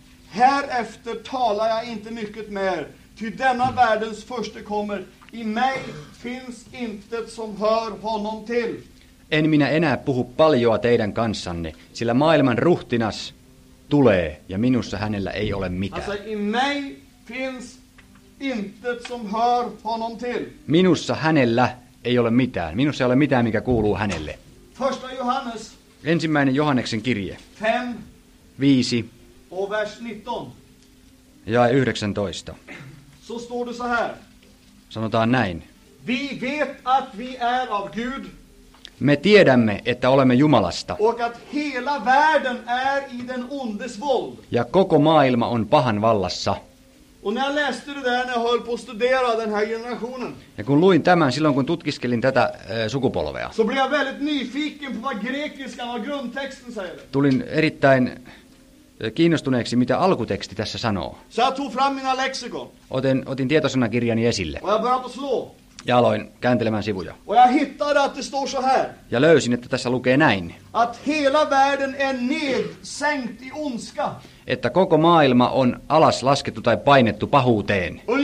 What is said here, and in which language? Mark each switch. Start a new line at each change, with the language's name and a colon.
Swedish: Härefter talar jag inte mycket mer. Till denna världens första kommer. I mig finns intet som hör honom till.
Finnish: En minä enää puhu paljoa teidän kanssanne, sillä maailman ruhtinas tulee ja minussa hänellä ei ole mitään.
Swedish: Alltså, i mig finns intet som hör honom till.
Finnish: Minussa hänellä ei ole mitään. Minussa ei ole mitään, mikä kuuluu hänelle.
Swedish: Första Johannes.
Finnish: Ensimmäinen Johanneksen kirje.
Swedish: 5. Och vers 19.
Finnish: Jae 19.
Swedish: Så står det så här.
Finnish: Sanotaan näin.
Swedish: Vi vet att vi är av Gud.
Finnish: Me tiedämme, että olemme Jumalasta.
Swedish: Och att hela världen är i den ondes våld.
Finnish: Ja koko maailma on pahan vallassa.
Swedish: Och när jag läste det där när jag höll på att studera den här generationen.
Finnish: Ja kun luin tämän silloin kun tutkiskelin tätä sukupolvea.
Swedish: Så blev jag väldigt nyfiken på vad grekiskan och grundtexten säger.
Finnish: Tulin erittäin kiinnostuneeksi mitä alkuteksti tässä sanoo.
Swedish: Så jag tog fram mina leksikon.
Finnish: Otin tietosanakirjani esille.
Swedish: Och jag började att slå.
Finnish: Ja aloin kääntelemään sivuja.
Swedish: Och jag hittade att det står så här.
Finnish: Ja löysin että tässä lukee näin.
Swedish: Att hela världen är nedsänkt i ondska.
Finnish: Että koko maailma on alas laskettu tai painettu pahuuteen.